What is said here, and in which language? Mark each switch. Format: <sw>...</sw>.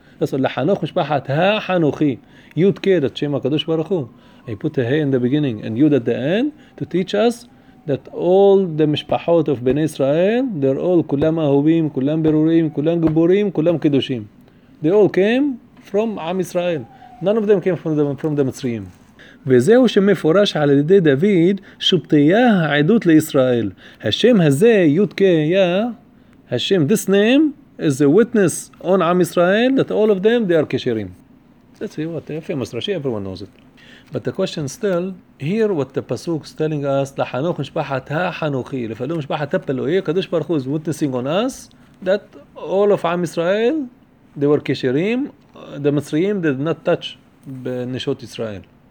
<en>That's what,</en> <he>"Lahanoch Mishpachat HaHanochi."</he> <en>Yud Ke, that Shema Kadosh Baruch Hu. I put a hey in the beginning and Yud at the end to teach us that all the Mishpachot of Bnei Israel, they're all</en> <he>Kulam Ahubim, Kulam Berurim, Kulam Giburim, Kulam Kedushim.</he> <en>They all came from Am Israel. None of them came from the Masriim.</en> <he>וזהו שמפורש על ידי דוד שבטיה העדות לישראל. השם הזה, יודקיה, השם,</he> <en>this name is a witness on Am Israel that all of them, they are kashirim. That's what the famous Rashi, everyone knows it. But the question still, here what the Pasuk is telling us,</en> <he>לחנוך משפחת החנוכי, לפלו משפחת הפלוי,</he> <en>קדוש ברוך הוא is witnessing on us that all of Am Israel, they were kashirim, the Masriim did not touch בנשות ישראל.</en>